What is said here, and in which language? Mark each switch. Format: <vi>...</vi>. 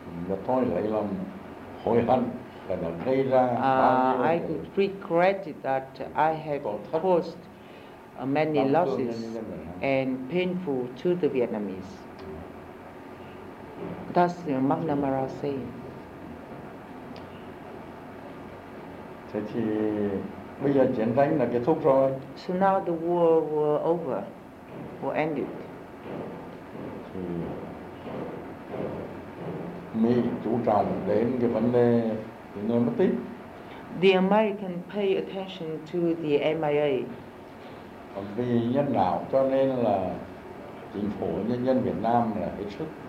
<vi>Mà tôi lấy làm hối hận là đã gây ra</vi> <en>I could regret that I have caused many losses and painful to the Vietnamese. That's McNamara saying.</en> <vi>Thế thì bây giờ chiến tranh là kết thúc rồi.</vi> <en>So now the war was over, or ended.</en> <vi>Thì Mỹ chú trọng đến cái vấn đề những người mất tích.</vi> <en>The American pay attention to the MIA.</en> <vi>Vì nhân đạo cho nên là chính phủ nhân dân Việt Nam là hết sức.</vi>